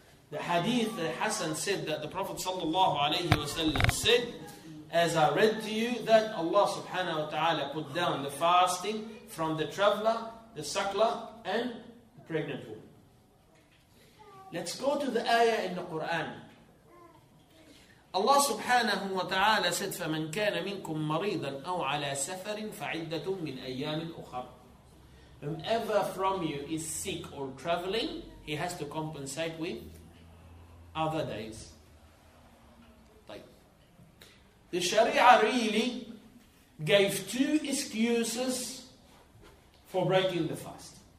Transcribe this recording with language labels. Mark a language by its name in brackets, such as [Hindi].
[English] The hadith that Hassan said, that the Prophet sallallahu alayhi wa sallam said, as I read to you, that Allah subhanahu wa ta'ala put down the fasting from the traveler, the suckler, and pregnant woman. Let's go to the ayah in the Quran. Allah subhanahu wa ta'ala said, [Arabic] فَمَنْ كَانَ مِنْكُمْ مَرِيضًا أَوْ عَلَىٰ سَفَرٍ فَعِدَّةٌ مِنْ أَيَّامٍ أُخَرٍ. [English] Whomever from you is sick or traveling, he has to compensate with other days. The Sharia really gave two excuses for breaking the fast.